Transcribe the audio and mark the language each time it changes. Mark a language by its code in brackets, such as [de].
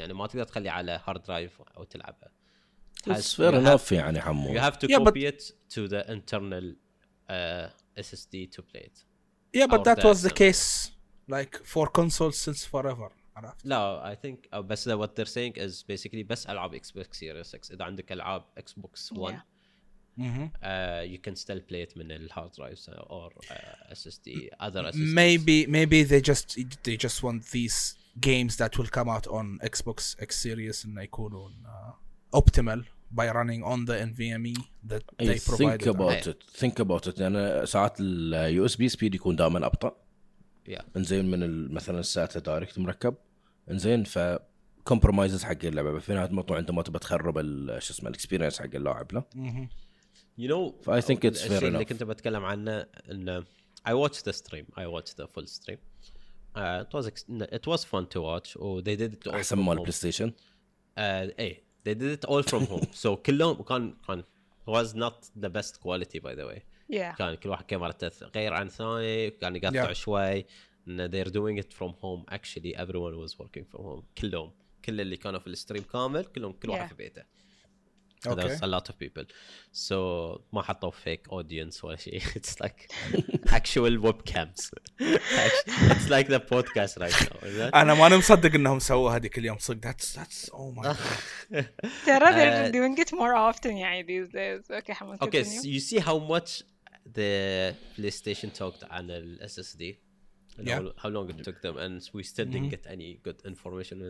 [ar] يعني ما تقدر تخلي على hard drive أو تلعبها. [en] It's fair enough يعني حمو. You have to copy it to the internal SSD to play it. Yeah, but that was the case like for consoles since forever. لا, I think بس what they're saying is basically بس ألعاب Xbox Series X. [ar] إذا عندك ألعاب Xbox One. Yeah. Mm-hmm. [en] You can still play it in the hard drives or SSD, other SSDs. Maybe they just want these games that will come out on Xbox X Series and they call on optimal by running on the NVMe that they provide. Think about it. [ar] يعني ساعات ال USB speed يكون دائما أبطأ. [en] Yeah. [ar] إنزين من مثلا الساتا دايركت مركب. إنزين ف compromises حق اللعبة. في نهاية الموضوع أنت ما تبى تخرب ال شو اسمه ال experience حق اللاعب له. [en] You know, I think it's fair enough. اللي [ar] كنت بتكلم عنه إن [en] I watched the full stream. It was fun to watch. Oh, they did it all from home. PlayStation. They did it all from home. So [ar] كلهم كان [en] was not the best quality by the way. Yeah. [ar] كان كل واحد كاميرته غير عن ثاني كان يقطع شوي. [en] They're doing it from home. Actually, everyone was working from home. [ar] كلهم كل اللي كانوا في الستريم كامل كلهم كل واحد في بيته. [en] Okay. There's a lot of people. So [ar] ما حطوا [en] fake audience [ar] ولا شيء. [en] It's like actual webcams. It's like the podcast right now. [ar] أنا ما نمصدق إنهم سووا هذيك اليوم صدق. [en] That's oh my god. ترى they're doing it more often يعني these days. Okay, حمد. Okay, so you see how much the PlayStation talked on the SSD. Yeah. How long it took them, and we still didn't get any good information.